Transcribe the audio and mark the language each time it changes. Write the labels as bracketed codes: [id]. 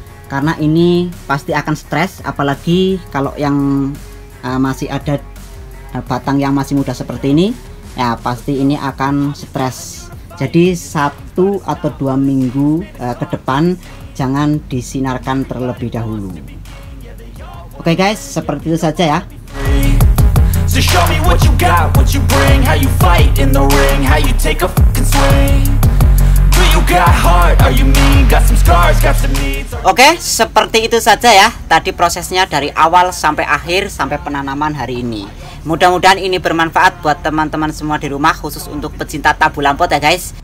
[id] Karena ini pasti akan stres, apalagi kalau yang masih ada batang yang masih muda seperti ini ya, pasti ini akan stres. Jadi 1 atau 2 minggu ke depan jangan disinarkan terlebih dahulu. Oke guys, seperti itu saja ya. [en] So show me what you got, what you bring, how you fight in the ring, how you take a fucking swing. Do you got heart, are you mean, got some scars, got some needs. [id] Oke, seperti itu saja ya. Tadi prosesnya dari awal sampai akhir, sampai penanaman hari ini. Mudah-mudahan ini bermanfaat buat teman-teman semua di rumah, khusus untuk pecinta tabu lampot ya guys.